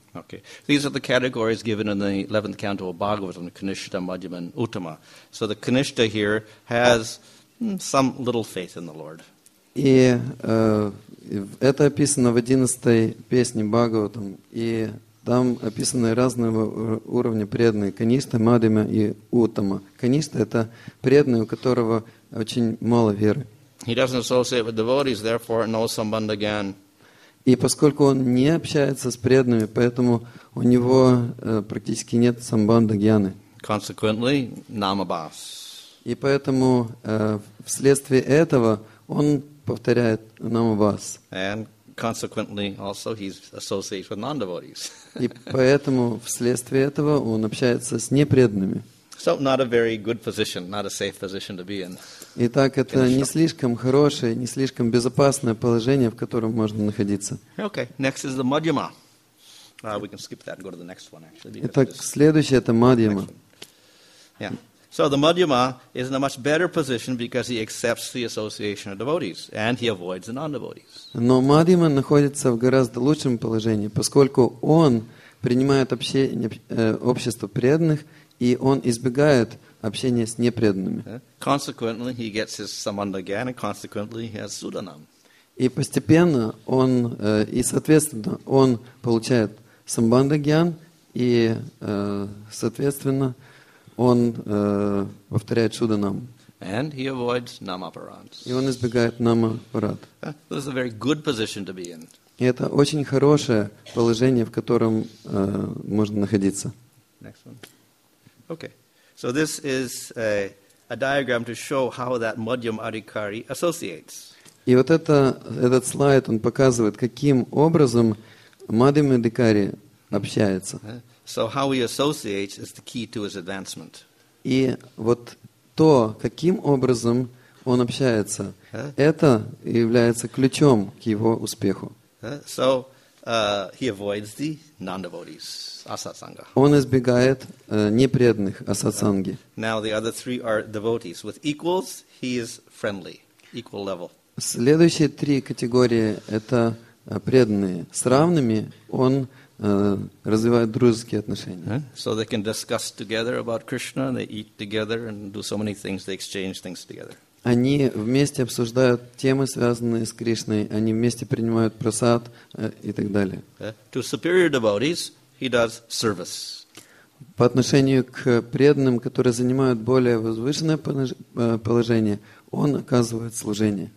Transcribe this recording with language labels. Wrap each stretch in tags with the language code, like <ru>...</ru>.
<en>Okay, these are the categories given in the 11th canto of Bhagavatam, Kanishta, Madhyama, and Uttama. So the Kanishta here has some little faith in the Lord.</en> <ru>И это описано в 11-й песне Бхагаватам, и там описаны разного уровня преданные: Каништа, Мадхима и Уттама. Каништа — это преданный, у которого очень мало веры.</ru> <en>He doesn't associate with devotees, therefore no sambandhagyan.</en> <ru>И поскольку он не общается с преданными, поэтому у него практически нет самбандагьяны.</ru> <en>Consequently, намабас.</en> <ru>И поэтому вследствие этого он повторяет намабас.</ru> <en>And consequently, also he's associated with non-devotees.</en> <ru>И поэтому вследствие этого он общается с непреданными.</ru> <en>So not a very good position, not a safe position to be in.</en> <ru>Итак, это не слишком хорошее, не слишком безопасное положение, в котором можно находиться.</ru> <en>Okay, next is the Madhyama. We can skip that and go to the next one, actually.</en> <ru>Итак, следующее это Madhyama.</ru> <en>Yeah. So the Madhyama is in a much better position because he accepts the association of devotees and he avoids the non-devotees.</en> <ru>Но Мадхьяма находится в гораздо лучшем положении, поскольку он принимает общество преданных и он избегает общения с непреданными.</ru> <en>Consequently, he gets his samandagyan and consequently he has sudanam.</en> <ru>И постепенно он и соответственно он получает самбандагьян и соответственно он повторяет суданам.</ru> <en>And he avoids namaparans.</en> <ru>И он избегает намапарат.</ru> <en>This is a very good position to be in.</en> <ru>И это очень хорошее положение, в котором можно находиться.</ru> <en>Next one. Okay. So this is a diagram to show how that Madhyam Adhikari associates.</en> <ru>И вот этот слайд, он показывает, каким образом Мадхьям Адхикари общается.</ru> <en>So how he associates is the key to his advancement.</en> <ru>И вот то, каким образом он общается, это является ключом к его успеху.</ru> <en>So he avoids the non-devotees, asatsanga.</en> <ru>Он избегает непреданных, асатсанги.</ru> <en>Now the other three are devotees. With equals, he is friendly, equal level.</en> <ru>Следующие три категории – это преданные. С равными он развивает дружеские отношения.</ru> <en>So they can discuss together about Krishna, they eat together and do so many things, they exchange things together.</en> <ru>Они вместе обсуждают темы, связанные с Кришной, они вместе принимают просад и так далее.</ru> <en>To superior devotees, he does service.</en> <ru>По отношению к преданным, которые занимают более возвышенное положение, он оказывает служение.</ru>